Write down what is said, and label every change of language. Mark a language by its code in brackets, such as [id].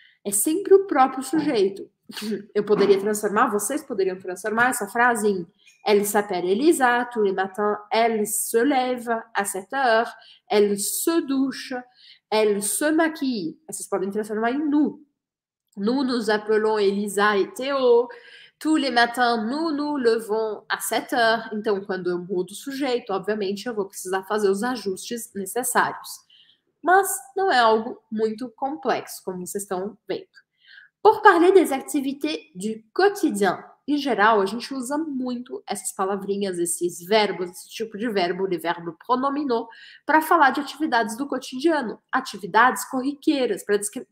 [pt] É sempre o próprio sujeito. Eu poderia transformar, vocês poderiam transformar essa frase em [fr] elle s'appelle Elisa, tous les matins, elle se lève à 7 heures, elle se douche, elle se maquille. [pt] Vocês podem transformar em nous. [fr] Nous nous appelons Elisa et Théo. Tous les matins, nous nous levons à 7 heures. [pt] Então, quando eu mudo o sujeito, obviamente, eu vou precisar fazer os ajustes necessários. Mas não é algo muito complexo, como vocês estão vendo. [fr] Por parler des activités du quotidien, [pt] em geral, a gente usa muito essas palavrinhas, esses verbos, esse tipo de verbo, de verbo pronominou, para falar de atividades do cotidiano, atividades corriqueiras, para descrever.